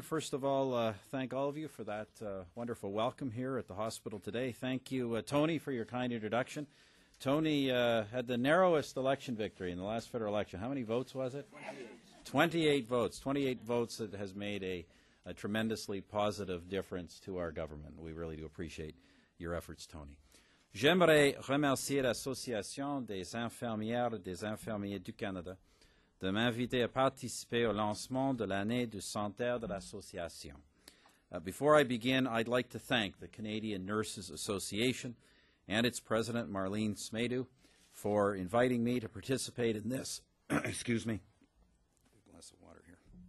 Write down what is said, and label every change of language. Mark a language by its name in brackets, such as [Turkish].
[English] First of all, thank all of you for that wonderful welcome here at the hospital today. Thank you, Tony, for your kind introduction. Tony had the narrowest election victory in the last federal election. How many votes was it? 28 votes. 28 votes that has made a tremendously positive difference to our government. We really do appreciate your efforts, Tony. [French] J'aimerais remercier l'Association des infirmières et des infirmiers du Canada de m'inviter à participer au lancement de l'année du centenaire de l'association. [English] Before I begin, I'd like to thank the Canadian Nurses Association and its president, Marlene Smaidu, for inviting me to participate in this. Excuse me. A glass of water here.